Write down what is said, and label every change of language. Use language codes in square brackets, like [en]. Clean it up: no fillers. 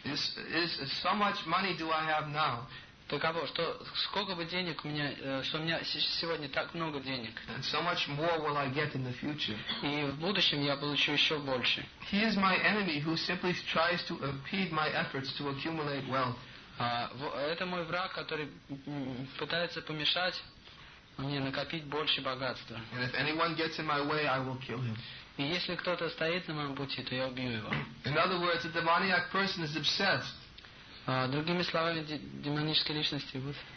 [en] so much money do I have now, [ru] таково, что сколько бы денег у меня, что у меня сегодня так много денег, [en] so much more will I get in the future. [ru] И в будущем я получу еще больше. [en] He is my enemy who simply tries to impede my efforts to accumulate wealth. [ru] Это мой враг, который пытается помешать мне накопить больше богатства. [en] And if anyone gets in my way, I will kill him. [ru] И если кто-то стоит на моем пути, то я убью его. [en] In other words, a demoniac person is obsessed. [ru] Другими словами, демонические личности будут.